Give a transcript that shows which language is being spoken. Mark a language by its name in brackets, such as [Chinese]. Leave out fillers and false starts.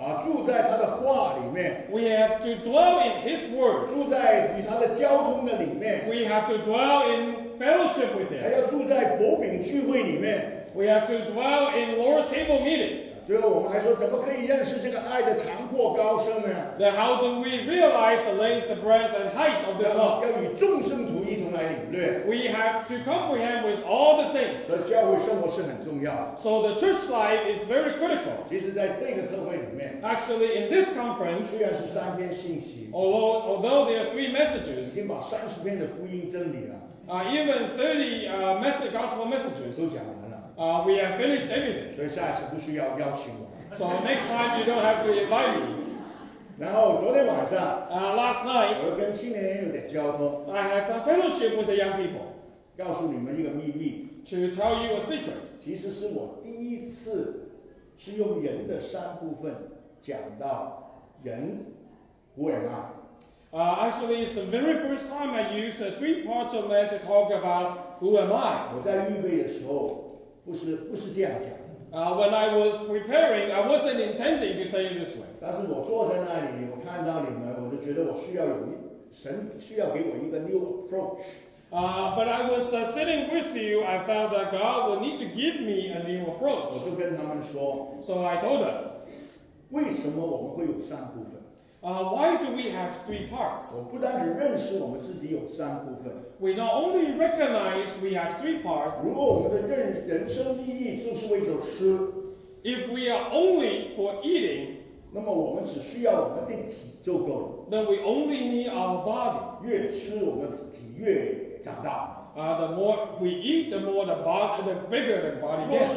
[Chinese] 住在他的话里面。 [English] We have to dwell in his word. [Chinese] 住在与他的交通的里面。 [English] We have to dwell in fellowship with him. [Chinese] 还要住在薄饼聚会里面。 [English] We have to dwell in Lord's table meeting. [Chinese] 最后我们还说，怎么可以认识这个爱的长阔高深呢？ [English] Then how do we realize the length, the breadth, and height of the love? [Chinese] 要与众圣徒一同来领略。 [English] We have to comprehend with all the things. [Chinese] 所以教会生活是很重要的。 [English] So the church life is very critical. [Chinese] 其实在这个特会里面。 [English] Actually, in this conference, [Chinese] 虽然是三篇信息。 [English] Although there are three messages, [Chinese] 已经把三十篇的福音真理了。 [English] Even 30 gospel messages. [Chinese] 都讲完了。 [English] We have finished everything. [Chinese] 所以下一次不需要邀请我。 [English] So next time you don't have to invite me. [Chinese] 然后昨天晚上。 [English] Last night. [Chinese] 我跟青年有点交通。 [English] I had some fellowship with the young people. [Chinese] 告诉你们一个秘密。 [English] To tell you a secret. [Chinese] 其实是我第一次是用人的三部分讲到人 [English] who am I? Actually, it's the very first time I use the three parts of man to talk about who am I. [Chinese] 我在预备的时候，不是这样讲。 [English] When I was preparing, I wasn't intending to say it this way. [Chinese] 但是我坐在那里，我看到你们，我就觉得我需要有神需要给我一个 [English] new approach. But I was sitting with you, I felt that God will need to give me a new approach. [Chinese] 我就跟他们说。 [English] So I told them. [Chinese] 为什么我们会有三部分？ [English] Why do we have three parts? [Chinese] 我不单只认识我们自己有三部分。 [English] We not only recognize we have three parts. [Chinese] 如果我们的人生意义就是为了吃。 [English] If we are only for eating. [Chinese] 那么我们只需要我们的体就够了。 [English] Then we only need our body. [Chinese] 越吃我们体越长大。 [English] The more we eat, the more the bigger the body gets.